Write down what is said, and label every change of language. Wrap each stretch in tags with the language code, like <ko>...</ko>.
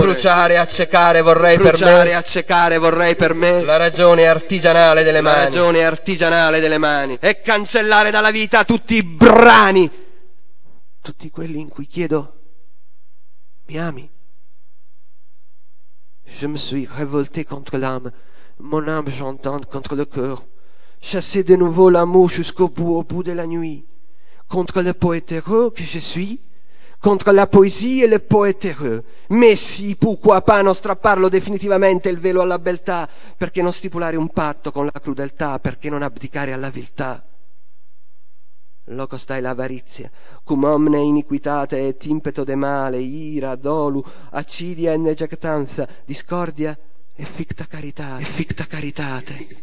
<it>Bruciare, accecare, vorrei per me. La ragione artigianale delle mani. E cancellare dalla vita tutti i brani, tutti quelli in cui chiedo: mi ami?</it> <fr>Je me suis révolté contre l'âme, mon âme j'entends contre le cœur, chasser de nouveau l'amour jusqu'au bout, au bout de la nuit, contre le poète heureux que je suis, contre la poésie et le poète heureux. Mais si, pourquoi pas,</fr> <it>non strapparlo définitivamente il velo alla beltà, perché non stipulare un patto con la crudeltà, perché non abdicare alla viltà? Loco stai l'avarizia, cum omne iniquitate et impeto de male, ira, dolu, acidia e negectanza, discordia e ficta caritate.</it>